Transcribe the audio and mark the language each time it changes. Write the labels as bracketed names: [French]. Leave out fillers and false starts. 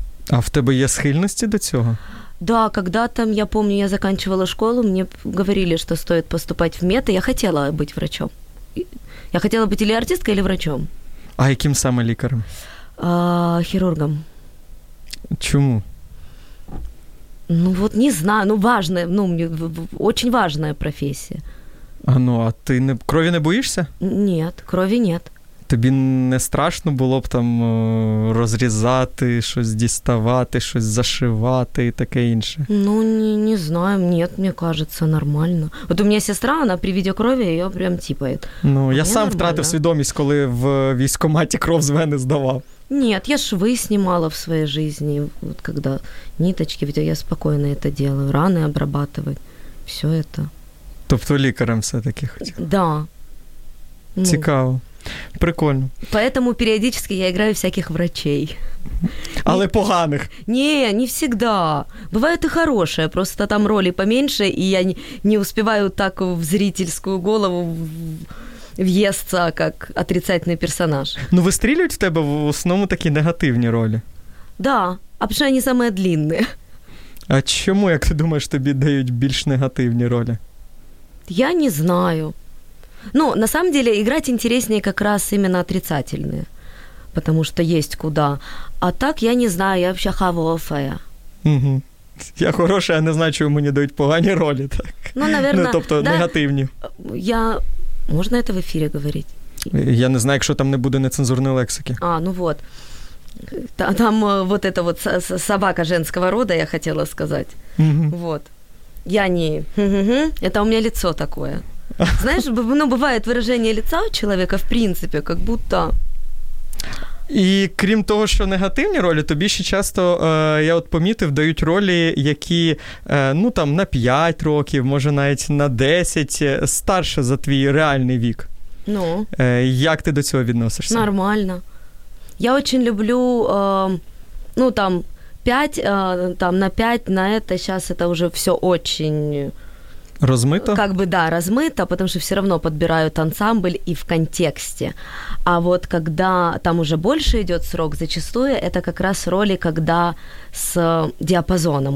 [Ukrainian] А в тебе є схильності до цього? [Russian] Да, когда там, я помню, я заканчивала школу, мне говорили, что стоит поступать в мед, и я хотела быть врачом. Я хотела быть или артисткой, или врачом. [Ukrainian] А яким саме лікарем? Хірургом. Чому? [Russian] Ну вот не знаю, ну важная, ну мне очень важная профессия. [Ukrainian] А ну, а ти не, крові не боїшся? [Russian] Нет, крові нет. [Ukrainian] Тобі не страшно було б там розрізати, щось діставати, щось зашивати і таке інше? Ну, не знаю, ні, мені кажеться, нормально. От у мене сестра, вона при виді крові, її прям тіпает. Ну, я сам втратив свідомість, коли в військкоматі кров з вени здавав. Ні, я шви знімала в своїй житті, от коли ниточки, я спокійно це робила, рани обрабатувати, все це. Тобто лікарем все-таки хотіла? [Russian] Да. [Ukrainian] Цікаво. Прикольно. [Russian] Поэтому периодически я играю всяких врачей. [Ukrainian] Але поганих. [Russian] Не, не всегда. Бывает и хорошее, просто там роли поменьше, и я не успеваю так в зрительскую голову въесться, как отрицательный персонаж. Ну, выстреливают в тебе в основном такие негативные роли. Да, а потому что они самые длинные. А чему, как ты думаешь, тебе дают больше негативные роли? Я не знаю. Ну, на самом деле, играть интереснее как раз именно отрицательные. Потому что есть куда. А так, я не знаю, я вообще хавофая. Угу. Я хорошая, а не знаю, чего мне дают погані роли. Так. Ну, наверное... [Ukrainian] Ну, тобто, [Russian] да, [Ukrainian] негативні. [Russian] Я... Можно это в эфире говорить? [Ukrainian] Я не знаю, якщо там не буде нецензурної лексики. [Russian] А, ну вот. Там вот эта вот собака женского рода, я хотела сказать. Угу. Вот. Я не... Это у меня лицо такое. Знаешь, ну, бывает выражение лица у человека, в принципе, как будто... [Ukrainian] І крім того, що негативні ролі, тобі ще часто, я от помітив, дають ролі, які, ну там, на 5 років, може навіть на 10, старше за твій реальний вік. [Russian] Ну. [Ukrainian] Як ти до цього відносишся? Нормально. [Russian] Я очень люблю, ну там, 5, там, на 5, на это, сейчас это уже все очень... Размыто? Как бы, да, размыто, потому что все равно подбирают ансамбль и в контексте. А вот когда там уже больше идет срок, зачастую это как раз роли, когда с диапазоном.